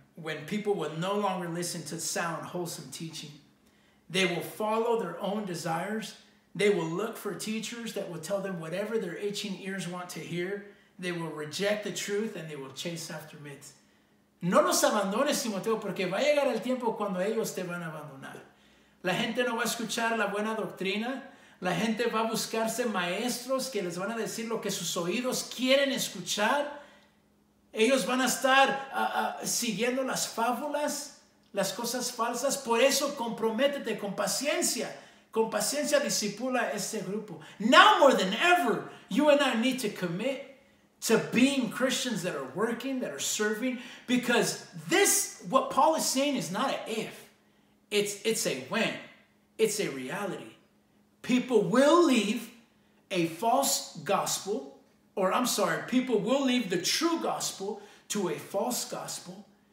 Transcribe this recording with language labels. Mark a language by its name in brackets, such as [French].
[English] when people will no longer listen to sound, wholesome teaching. They will follow their own desires. They will look for teachers that will tell them whatever their itching ears want to hear. They will reject the truth and they will chase after myths. [Spanish] No los abandones, Timoteo, porque va a llegar el tiempo cuando ellos te van a abandonar. La gente no va a escuchar la buena doctrina. La gente va a buscarse maestros que les van a decir lo que sus oídos quieren escuchar. Ellos van a estar siguiendo las fábulas, las cosas falsas. Por eso, comprométete con paciencia. Con paciencia, discipula este grupo. [English] Now more than ever, you and I need to commit to being Christians that are working, that are serving. Because this, what Paul is saying, is not an if. It's a when. It's a reality. People will leave a false gospel, or I'm sorry, people will leave the true gospel to a false gospel.